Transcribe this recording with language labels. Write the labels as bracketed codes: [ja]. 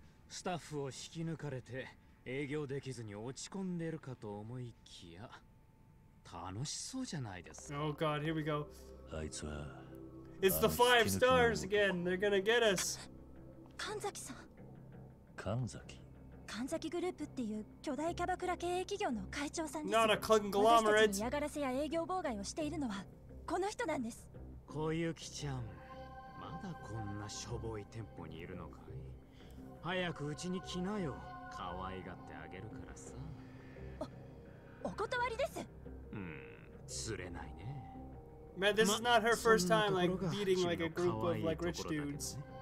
[ja] スタッフを引き抜かれて営業できずに落ち込んでるかと思いきや楽しそうじゃないですか。 [en] Oh god, here we go. It's the 5 stars again. They're gonna get us. [ja] 神崎さん。神崎? 神崎グループっていう巨大キャバクラ経営企業の会長さんです。 [en] Not a conglomerate! [ja] 私たちに嫌がらせや営業妨害をしているのはこの人なんです。小雪ちゃん、 まだこんなしょぼい店舗にいるのかい? 早くうちに来なよ。可愛がってあげるからさ。お断りです! つれないね。 [en] Man, this is not her first time, like, beating, like, a group of, like, rich dudes.